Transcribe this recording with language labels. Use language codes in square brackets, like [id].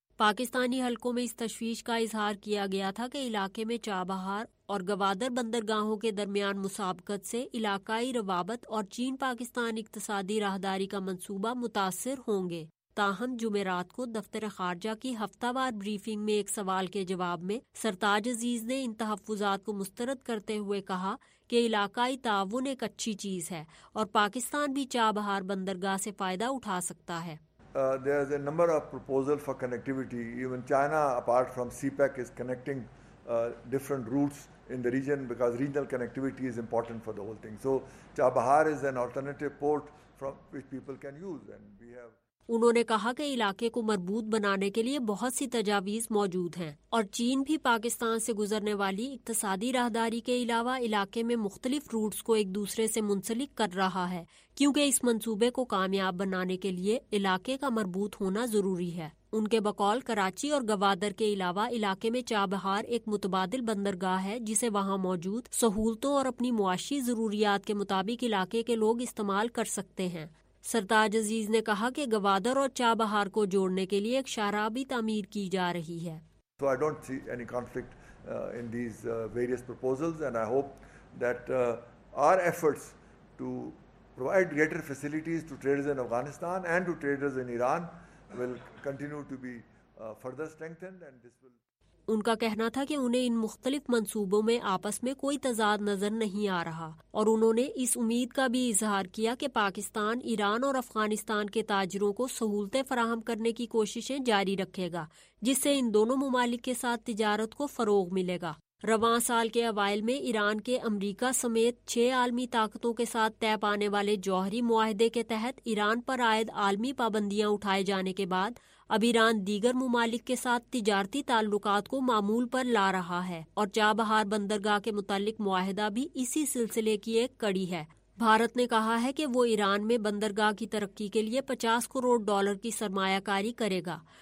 [ur] پاکستانی حلقوں میں اس تشویش کا اظہار کیا گیا تھا کہ علاقے میں چابہار اور گوادر بندرگاہوں کے درمیان مسابقت سے علاقائی روابط اور چین پاکستان اقتصادی راہداری کا منصوبہ متاثر ہوں گے۔ تاہم جمعرات کو دفتر خارجہ کی ہفتہ وار بریفنگ میں ایک سوال کے جواب میں سرتاج عزیز نے ان تحفظات کو مسترد کرتے ہوئے کہا کہ علاقائی تعاون ایک اچھی چیز ہے اور پاکستان بھی چابہار بندرگاہ سے فائدہ اٹھا سکتا ہے۔ [en] There is a number of proposals for connectivity. Even China, apart from CPEC, is connecting different routes in the region because regional connectivity is important for the whole thing. So Chabahar is an alternative port from which people can use. And we have... [ur] انہوں نے کہا کہ علاقے کو مربوط بنانے کے لیے بہت سی تجاویز موجود ہیں اور چین بھی پاکستان سے گزرنے والی اقتصادی راہداری کے علاوہ علاقے میں مختلف روٹس کو ایک دوسرے سے منسلک کر رہا ہے، کیونکہ اس منصوبے کو کامیاب بنانے کے لیے علاقے کا مربوط ہونا ضروری ہے۔ ان کے بقول کراچی اور گوادر کے علاوہ علاقے میں چابہار ایک متبادل بندرگاہ ہے جسے وہاں موجود سہولتوں اور اپنی معاشی ضروریات کے مطابق علاقے کے لوگ استعمال کر سکتے ہیں۔ سرتاج عزیز نے کہا کہ گوادر اور چابہار کو جوڑنے کے لیے ایک شاہراہ بھی تعمیر کی جا رہی ہے۔ [en] So I don't see any conflict in these various proposals and I hope that our efforts to provide greater facilities to traders in Afghanistan and to traders in Iran will continue to be further strengthened and this will... [ur] ان کا کہنا تھا کہ انہیں ان مختلف منصوبوں میں آپس میں کوئی تضاد نظر نہیں آ رہا اور انہوں نے اس امید کا بھی اظہار کیا کہ پاکستان ایران اور افغانستان کے تاجروں کو سہولتیں فراہم کرنے کی کوششیں جاری رکھے گا جس سے ان دونوں ممالک کے ساتھ تجارت کو فروغ ملے گا۔ رواں سال کے اوائل میں ایران کے امریکہ سمیت 6 عالمی طاقتوں کے ساتھ طے پانے والے جوہری معاہدے کے تحت ایران پر عائد عالمی پابندیاں اٹھائے جانے کے بعد اب ایران دیگر ممالک کے ساتھ تجارتی تعلقات کو معمول پر لا رہا ہے اور چابہار بندرگاہ کے متعلق معاہدہ بھی اسی سلسلے کی ایک کڑی ہے۔ بھارت نے کہا ہے کہ وہ ایران میں بندرگاہ کی ترقی کے لیے $50 کروڑ کی سرمایہ کاری کرے گا۔